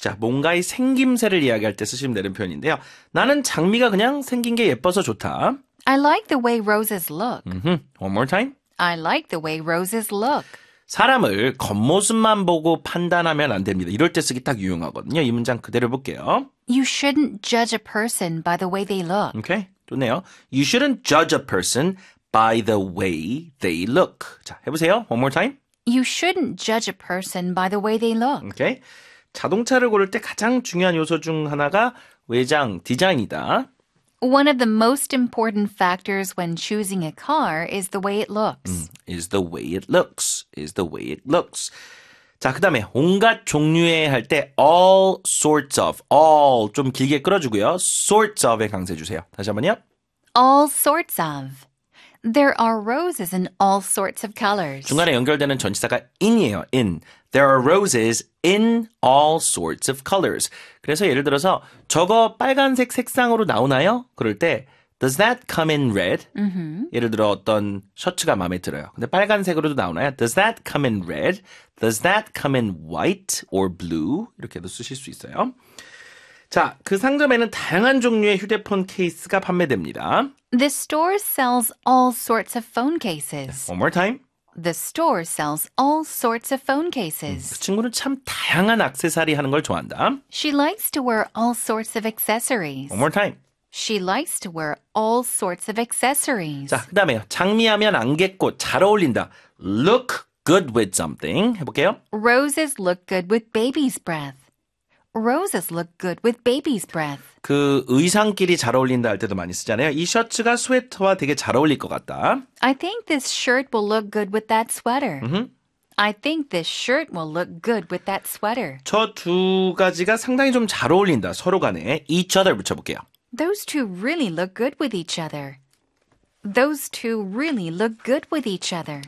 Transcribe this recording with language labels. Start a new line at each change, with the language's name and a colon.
Korean: 자, 뭔가의 생김새를 이야기할 때 쓰시면 되는 표현인데요. 나는 장미가 그냥 생긴 게 예뻐서 좋다.
English: I like the way roses look. One more time. I like the way roses look.
Korean: 사람을 겉모습만 보고 판단하면 안 됩니다. 이럴 때 쓰기 딱 유용하거든요. 이 문장 그대로 볼게요.
English: You shouldn't judge a person by the way they look.
Korean: 오케이, 좋네요.
English: You shouldn't judge a person by the way they look.
Korean: 자, 해보세요.
English: One more time. You shouldn't judge a person by the way they look.
Korean: 오케이. 자동차를 고를 때 가장 중요한 요소 중 하나가 외장 디자인이다.
English: One of the most important factors when choosing a car is the way it looks. Is the way it looks. Is the way it looks.
Korean: 자, 그 다음에 온갖 종류의 할 때 all sorts of, all 좀 길게 끌어주고요. sorts of에 강세 주세요. 다시 한번요.
English: All sorts of. There are roses in all sorts of colors.
Korean: 중간에 연결되는 전치사가 in이에요.
English: in. There are roses in all sorts of colors.
Korean: 그래서 예를 들어서 저거 빨간색 색상으로 나오나요? 그럴 때
English: does that come in red? Mm-hmm.
Korean: 예를 들어 어떤 셔츠가 마음에 들어요. 근데 빨간색으로도 나오나요?
English: Does that come in red? Does that come in white or blue?
Korean: 이렇게도 쓰실 수 있어요. 자, 그 상점에는 다양한 종류의 휴대폰 케이스가 판매됩니다.
English: The store sells all sorts of phone cases. One more time. The store sells all sorts of phone cases.
Korean: 그 친구는 참 다양한 액세서리 하는 걸 좋아한다.
English: She likes to wear all sorts of accessories. One more time. She likes to wear all sorts of accessories.
Korean: 자, 그다음에요. 장미하면 안개꽃 잘 어울린다.
English: Look good with something.
Korean: 해볼게요.
English: Roses look good with baby's breath. Roses look good with baby's breath.
Korean: 그 의상끼리 잘 어울린다 할 때도 많이 쓰잖아요. 이 셔츠가 스웨터와 되게 잘 어울릴 것 같다.
English: I think this shirt will look good with that sweater. I think this shirt will look good with that sweater.
Korean: 저 두 가지가 상당히 좀 잘 어울린다. 서로 간에
English: each other
Korean: 붙여볼게요.
English: Those two really look good with each other. Those two really look good with each other.